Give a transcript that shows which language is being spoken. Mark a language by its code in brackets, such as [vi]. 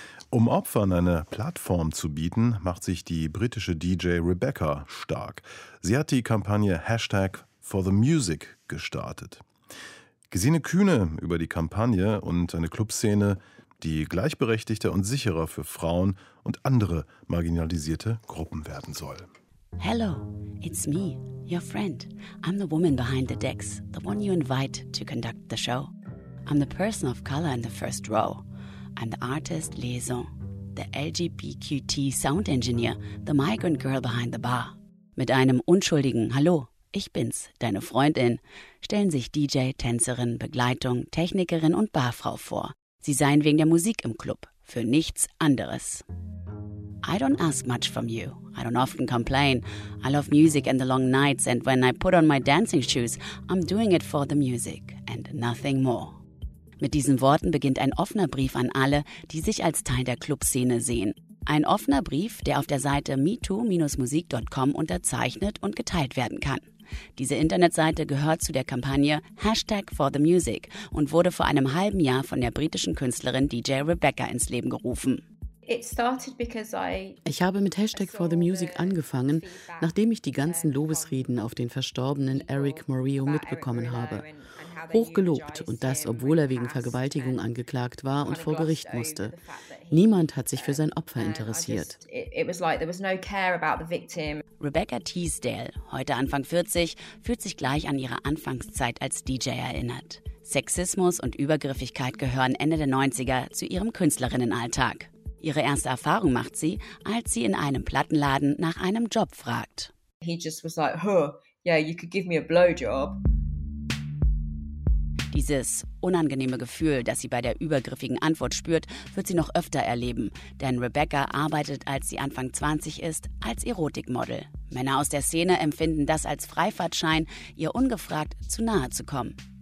[de] Um Opfern eine Plattform zu bieten, macht sich die britische DJ Rebecca stark. Sie hat die Kampagne Hashtag for the Music gestartet. Gesine Kühne über die Kampagne und eine Clubszene, die gleichberechtigter und sicherer für Frauen und andere marginalisierte Gruppen werden soll. [en] Hello, it's me, your friend. I'm the woman behind the decks, the one you invite to conduct the show. I'm the person of color in the first row. I'm the artist liaison, the LGBTQ sound engineer, the migrant girl behind the bar. [de] Mit einem unschuldigen Hallo, ich bin's, deine Freundin, stellen sich DJ, Tänzerin, Begleitung, Technikerin und Barfrau vor. Sie seien wegen der Musik im Club, für nichts anderes. [en] I don't ask much from you. I don't often complain. I love music and the long nights, and when I put on my dancing shoes, I'm doing it for the music and nothing more. [de] Mit diesen Worten beginnt ein offener Brief an alle, die sich als Teil der Clubszene sehen. Ein offener Brief, der auf der Seite metoo-musik.com unterzeichnet und geteilt werden kann. Diese Internetseite gehört zu der Kampagne Hashtag for the Music und wurde vor einem halben Jahr von der britischen Künstlerin DJ Rebecca ins Leben gerufen. Ich habe mit Hashtag for the Music angefangen, nachdem ich die ganzen Lobesreden auf den verstorbenen Eric Murillo mitbekommen habe. Hochgelobt, und das, obwohl er wegen Vergewaltigung angeklagt war und vor Gericht musste. Niemand hat sich für sein Opfer interessiert. Rebecca Teasdale, heute Anfang 40, fühlt sich gleich an ihre Anfangszeit als DJ erinnert. Sexismus und Übergriffigkeit gehören Ende der 90er zu ihrem Künstlerinnenalltag. Ihre erste Erfahrung macht sie, als sie in einem Plattenladen nach einem Job fragt. [en] He just was like, huh, yeah, you could give me a blowjob. [de] Dieses unangenehme Gefühl, das sie bei der übergriffigen Antwort spürt, wird sie noch öfter erleben. Denn Rebecca arbeitet, als sie Anfang 20 ist, als Erotikmodel. Männer aus der Szene empfinden das als Freifahrtschein, ihr ungefragt zu nahe zu kommen.